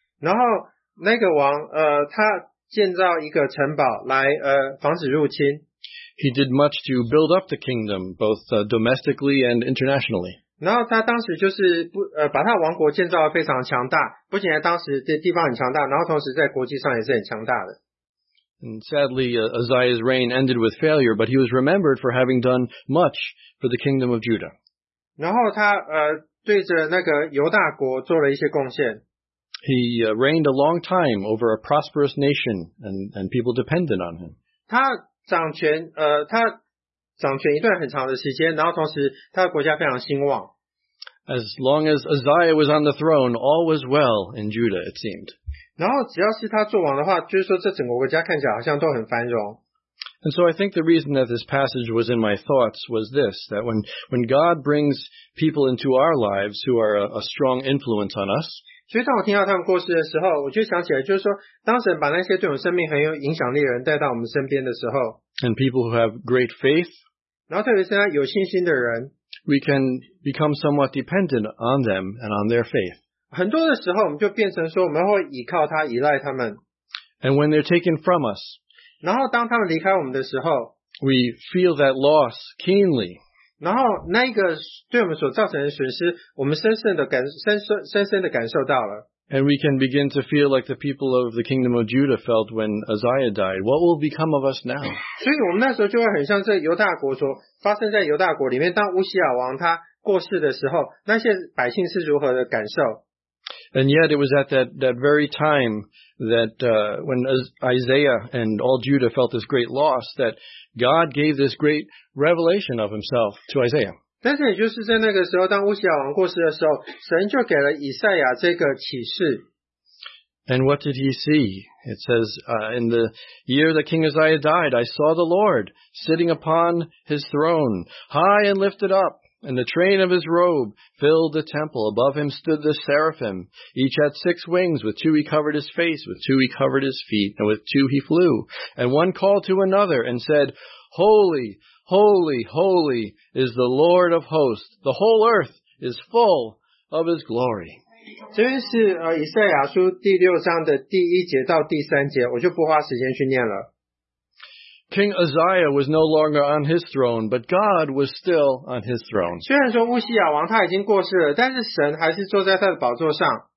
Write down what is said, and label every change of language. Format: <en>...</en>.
<zh>然后那个王他建造一个城堡来防止入侵。</zh> <en>He did much to build up the kingdom both domestically and internationally.</en> <zh>然后他当时就是把他王国建造得非常强大，不仅在当时的地方很强大，然后同时在国际上也是很强大的。</zh> <en>And sadly, Uzziah's reign ended with failure, but he was remembered for having done much for the kingdom of Judah.</en> <zh>然后他对着那个犹大国做了一些贡献。</zh> <en>He reigned a long time over a prosperous nation, and people depended on him.</en> <zh>他掌权掌权一段很长的时间，然后同时他的国家非常兴旺。</zh> <en>As long as Uzziah was on the throne, all was well in Judah, it seemed.</en> <zh>然后只要是他做王的话，就是说这整个国家看起来好像都很繁荣。</zh> <en>And so I think the reason that this passage was in my thoughts was this, that when God brings people into our lives who are a strong influence on us,</en> <zh>所以当我听到他们过世的时候，我就想起来，就是说当神把那些对我们生命很有影响力的人带到我们身边的时候。</zh> <en>And people who have great faith,</en> <zh>然后特别是有信心的人,</zh> <en>we can become somewhat dependent on them and on their faith.</en> <zh>很多的时候我们就变成说我们会依靠他依赖他们。</zh> <en>And when they're taken from us,</en> <zh>然后当他们离开我们的时候,</zh> <en>we feel that loss keenly.</en> <zh>然后那个对我们所造成的损失我们深深的感受到了。</zh> <en>And we can begin to feel like the people of the kingdom of Judah felt when Uzziah died. What will become of us now?</en> <zh>所以我们那时候就会很像这犹大国所发生在犹大国里面，当乌西亚王他过世的时候，那些百姓是如何的感受。</zh> <en>And yet it was at that very time that when Isaiah and all Judah felt this great loss, that God gave this great revelation of himself to Isaiah.</en> <zh>但是也就是在那个时候当乌西亚王过世的时候神就给了以赛亚这个启示。</zh> <en>And what did he see? It says, in the year that King Uzziah died, I saw the Lord sitting upon his throne, high and lifted up, And the train of his robe filled the temple. Above him stood the seraphim. Each had six wings. With two he covered his face. With two he covered his feet. And with two he flew. And one called to another and said, Holy, holy, holy is the Lord of hosts. The whole earth is full of his glory.</en> <zh>这边是以赛亚书第六章的第一节到第三节，我就不花时间去念了。</zh> <en>King Uzziah was no longer on his throne, but God was still on his throne.</en> <zh>虽然说乌西亚王他已经过世了，但是神还是坐在他的宝座上。</zh>